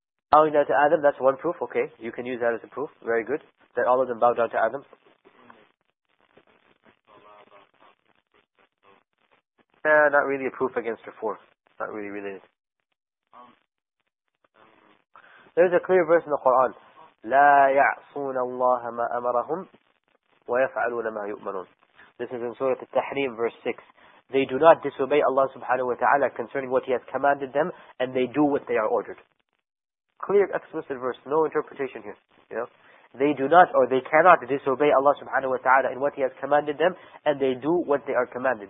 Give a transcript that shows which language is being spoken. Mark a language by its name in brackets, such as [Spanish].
[English] Bowing down to Adam, that's one proof, okay. You can use that as a proof, very good. That all of them bow down to Adam. Not really a proof against your four. Not really related. There's a clear verse in the Quran. [Arabic] لا يعصون الله ما أمرهم ويفعلون ما يؤمرون. [English] This is in Surah Al-Tahrim, verse 6. They do not disobey Allah subhanahu wa ta'ala concerning what He has commanded them, and they do what they are ordered. Clear, explicit verse, no interpretation here. You know, they do not, or they cannot disobey Allah subhanahu wa ta'ala in what He has commanded them, and they do what they are commanded.